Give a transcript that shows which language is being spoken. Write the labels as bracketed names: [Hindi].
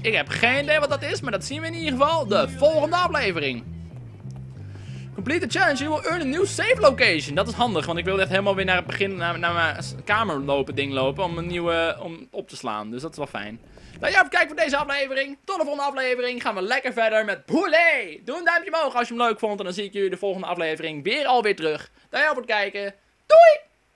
[Dutch] Ik heb geen idee wat dat is, maar dat zien we in ieder geval de volgende aflevering. [English] Complete the challenge, you will earn a new safe location. [Dutch] Dat is handig, want ik wil echt helemaal weer naar het begin, naar mijn kamer lopen, ding lopen. Om een nieuwe, om op te slaan. Dus dat is wel fijn. Nou ja, even kijken voor deze aflevering. Tot de volgende aflevering. Gaan we lekker verder met Boulay. Doe een duimpje omhoog als je hem leuk vond. En dan zie ik jullie de volgende aflevering weer alweer terug. Dankjewel voor het kijken. Doei!